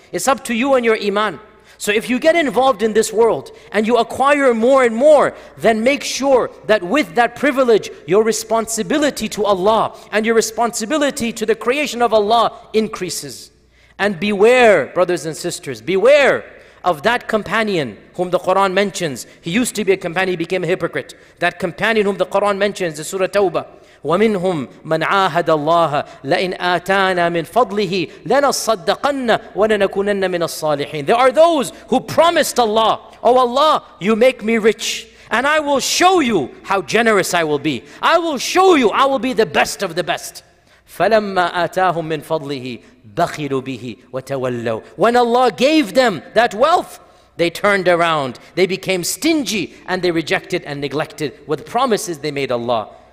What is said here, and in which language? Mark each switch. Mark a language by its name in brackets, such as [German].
[English] It's up to you and your iman. So if you get involved in this world and you acquire more and more, then make sure that with that privilege, your responsibility to Allah and your responsibility to the creation of Allah increases. And beware, brothers and sisters, beware of that companion whom the Quran mentions. He used to be a companion, he became a hypocrite. That companion whom the Quran mentions, the Surah Tawbah, [Arabic] وَمِنْهُمْ مَنْ عَاهَدَ اللَّهَ لَإِنْ آتَانَا مِنْ فَضْلِهِ لَنَصَّدَّقَنَّ وَلَنَكُونَنَّ مِنَ الصَّالِحِينَ. [English] There are those who promised Allah, "Oh Allah, you make me rich, and I will show you how generous I will be. I will show you I will be the best of the best." [Arabic] فَلَمَّا آتَاهُمْ مِنْ فَضْلِهِ بَخِلُوا بِهِ وَتَوَلَّوا. [English] When Allah gave them that wealth, they turned around, they became stingy, and they rejected and neglected what promises they made Allah.